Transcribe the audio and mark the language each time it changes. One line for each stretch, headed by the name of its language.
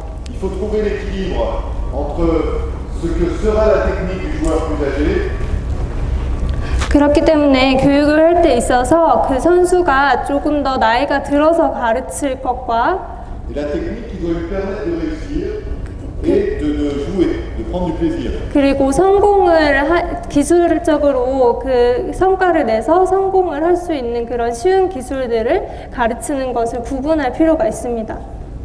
French: Il faut trouver l'équilibre entre ce que sera la technique du joueur plus âgé.
Korean: 그렇기 때문에 교육을 할 때 있어서 그 선수가 조금 더 나이가 들어서 가르칠 것과
French: et la technique qui doit lui permettre de réussir et de jouer, de prendre du plaisir.
Korean: 그리고 성공을 기술적으로 그 성과를 내서 성공을 할 수 있는 그런 쉬운 기술들을 가르치는 것을 구분할 필요가 있습니다.